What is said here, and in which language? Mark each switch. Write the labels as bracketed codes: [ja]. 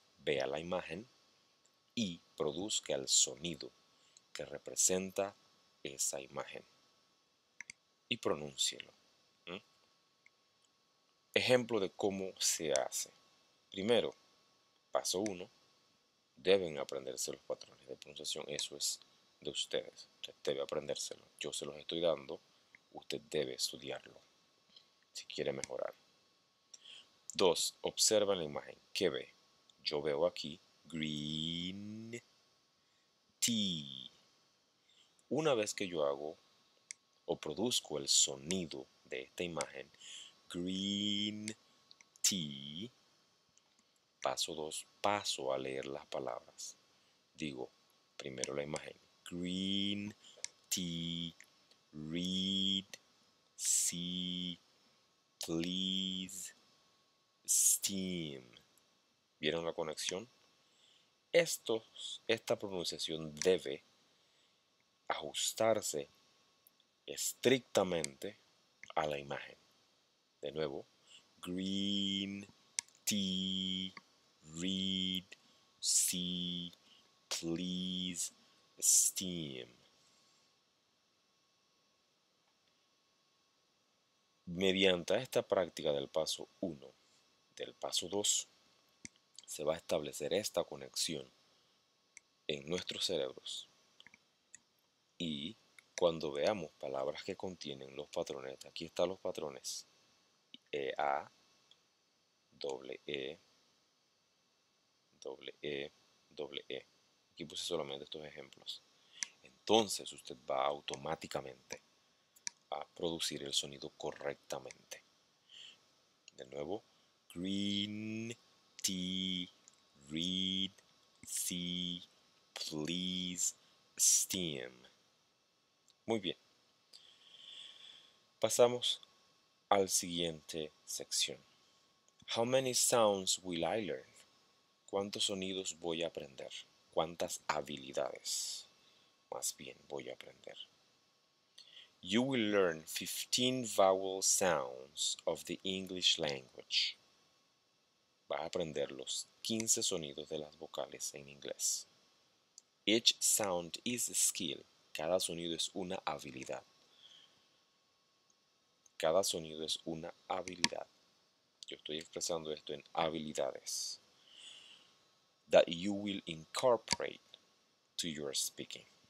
[es] Vea la imagen y produzca el sonido que representa esa imagen. Y pronúncielo. Ejemplo de cómo se hace. Primero, paso 1. Deben aprenderse los patrones de pronunciación. Eso es de ustedes. Usted debe aprendérselo. Yo se los estoy dando. Usted debe estudiarlo si quiere mejorar. 2. Observa la imagen. ¿Qué ve? Yo veo aquí green tea. Una vez que yo hago o produzco el sonido de esta imagen, green tea, paso 2, paso a leer las palabras. Digo, primero la imagen. [en] Green, tea, read, see, please, steam. [es] ¿Vieron la conexión? Esta pronunciación debe ajustarse estrictamente a la imagen. De nuevo, [en] green, tea, read, see, please, steam. [es] Mediante esta práctica del paso 1, del paso 2, se va a establecer esta conexión en nuestros cerebros. Y cuando veamos palabras que contienen los patrones, aquí están los patrones. E-A, doble E, doble E, doble E. Aquí puse solamente estos ejemplos. Entonces usted va automáticamente a producir el sonido correctamente. De nuevo, [en] green, tea, read, see, please, steam. [es] Muy bien. Pasamos al siguiente sección. [en] How many sounds will I learn? [es] ¿Cuántos sonidos voy a aprender? ¿Cuántas habilidades? Más bien, voy a aprender. [en] You will learn 15 vowel sounds of the English language. [es] Vas a aprender los 15 sonidos de las vocales en inglés. [en] Each sound is a skill. [es] Cada sonido es una habilidad. Cada sonido es una habilidad. Yo estoy expresando esto en habilidades. [en] That you will incorporate to your speaking.